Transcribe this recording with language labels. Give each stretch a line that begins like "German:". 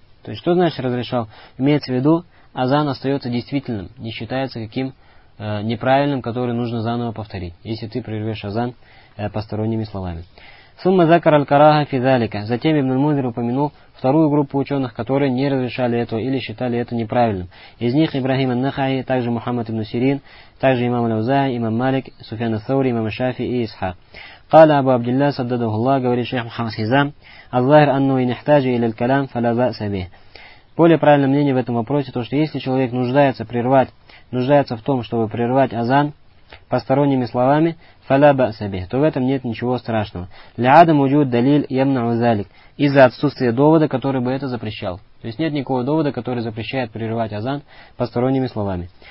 Russian: То есть, что значит разрешал? Имеется в виду, азан остается действительным, не считается каким неправильным, который нужно заново повторить, если ты прервешь азан посторонними словами.
Arabic: Сумма закараль караха физалика.
Russian: Затем Ибн Мундир упомянул вторую группу ученых, которые не разрешали этого или считали это неправильным. Из них Ибрахим ан-Нахаи, также Мухаммад ибн Сирин, также имам аль-Аузаи, имам Малик, Суфьян ас-Саури, имам аш-Шафии и Исхак.
Arabic: قال أبو عبد الله صدده الله
Russian: говорит
Arabic: شيخ محمد حزام الظاهر أنه ينحتاج إلى الكلام فلا بأس به.
Russian: Более правильное мнение в этом вопросе то, что если человек нуждается в том, чтобы прервать азан посторонними словами,
Arabic: فلا بأس به,
Russian: то в этом нет ничего страшного.
Arabic: لعدم وجود دليل يمنع ذلك,
Russian: из-за отсутствия довода, который бы это запрещал. То есть нет никакого довода, который запрещает прерывать азан посторонними словами.